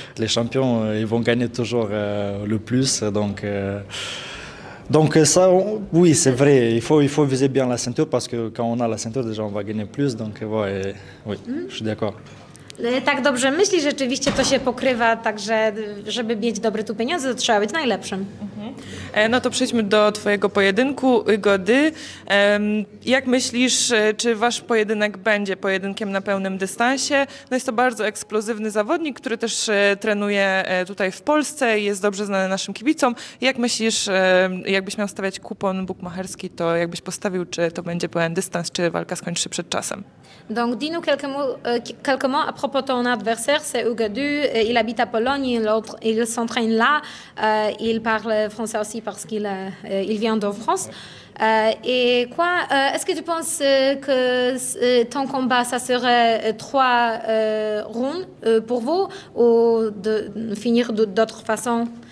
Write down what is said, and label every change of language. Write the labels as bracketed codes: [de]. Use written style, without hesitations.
[fr] Les champions, ils vont gagner toujours le plus, donc. Donc ça, oui, c'est vrai, il faut viser bien la ceinture parce que quand on a la ceinture, déjà, on va gagner plus, donc ouais, oui, je suis d'accord. [pl] Tak dobrze myśli, rzeczywiście to się pokrywa, także żeby mieć dobre tu pieniądze, to trzeba być najlepszym. Mhm. No to przejdźmy do twojego pojedynku, Gody. Jak myślisz, czy wasz pojedynek będzie pojedynkiem na pełnym dystansie? No jest to bardzo eksplozywny zawodnik, który też trenuje tutaj w Polsce i jest dobrze znany naszym kibicom. Jak myślisz, jakbyś miał stawiać kupon bukmacherski, to jakbyś postawił, czy to będzie pełen dystans, czy walka skończy się przed czasem? [fr] Donc, dis-nous quelques mots à propos de ton adversaire, c'est Ugadu, il habite à Pologne, il s'entraîne là, il parle français aussi parce qu'il vient de France. Est-ce que tu penses que ton combat, ça serait trois rounds pour vous ou de finir d'autre façon?